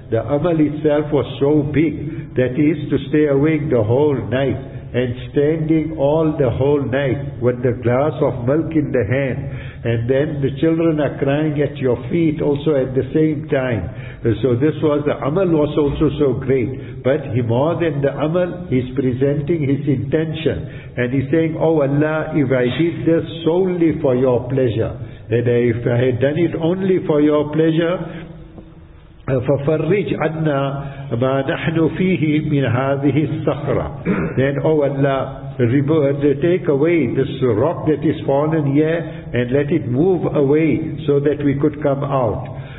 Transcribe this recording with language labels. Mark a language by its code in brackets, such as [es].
[en] The amal itself was so big, that is to stay awake the whole night and standing all the whole night with the glass of milk in the hand, and then the children are crying at your feet also at the same time. So this was, the amal was also so great, but he, more than the amal, he's presenting his intention, and he's saying, oh Allah, if I did this solely for your pleasure, that if I had done it only for your pleasure, [ar] ففرج عنا ما نحن فيه من هذه الصخرة. [en] Then, O Allah, take away this rock that is fallen here and let it move away so that we could come out.